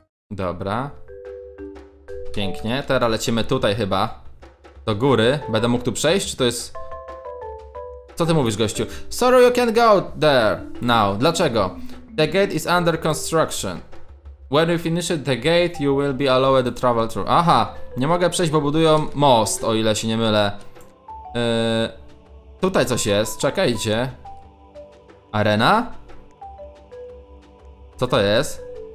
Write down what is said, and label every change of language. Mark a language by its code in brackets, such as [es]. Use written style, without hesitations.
[pl] Dobra. Pięknie, teraz lecimy tutaj chyba. Do góry, będę mógł tu przejść, czy to jest... Co ty mówisz, gościu? [en] Sorry, you can't go there now. [pl] Dlaczego? [en] The gate is under construction. When you finish the gate, you will be allowed to travel through. [pl] Aha, nie mogę przejść, bo budują most, o ile się nie mylę. Tutaj coś jest, czekajcie. Arena? Co to jest?